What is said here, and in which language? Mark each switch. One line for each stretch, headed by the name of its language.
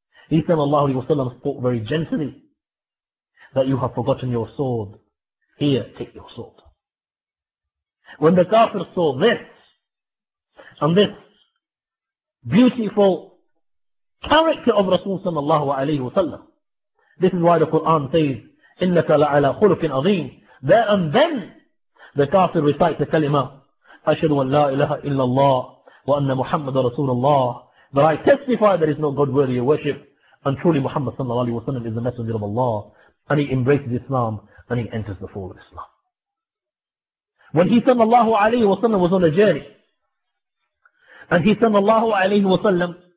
English: He sallallahu alayhi wa sallam spoke very gently, that you have forgotten your sword. Here, take your sword. When the kafir saw this, and this beautiful character of Rasul sallallahu alayhi wa sallam, this is why the Quran says,
Arabic: إِنَّكَ لَعَلَىٰ خُلُقٍ عَظِيمٍ.
English: There and then, the kafir recites the kalima,
Arabic: أشهد أن لا إله إلا الله وأن محمد رسول الله.
English: But I testify there is no God worthy of worship, and truly Muhammad sallallahu alayhi wa sallam is the messenger of Allah. and he embraces Islam, then he enters the fold of Islam. When he sallallahu alayhi wa sallam was on a journey, and he sallallahu alayhi wa sallam